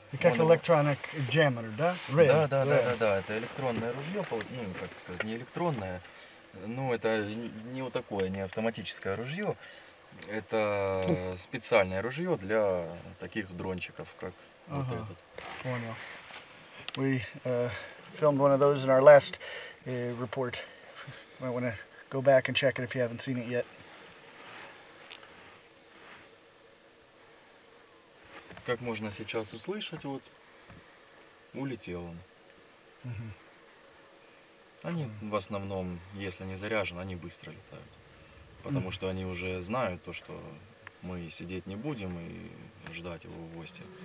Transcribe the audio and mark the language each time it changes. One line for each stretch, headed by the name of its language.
Russian: как electronic jammer, да?
English: Really?
Russian: Да, это электронное ружье, ну, как сказать, не электронное, ну, это не вот такое, не автоматическое ружье, это специальное ружье для таких дрончиков, как вот этот. Понял.
English: We filmed one of those in our last report. Might want to go back and check it if you haven't seen it yet.
Russian: Как можно сейчас услышать, вот улетел он. Они в основном, если не заряжены, они быстро летают. Потому что они уже знают то, что мы сидеть не будем и ждать его в гости.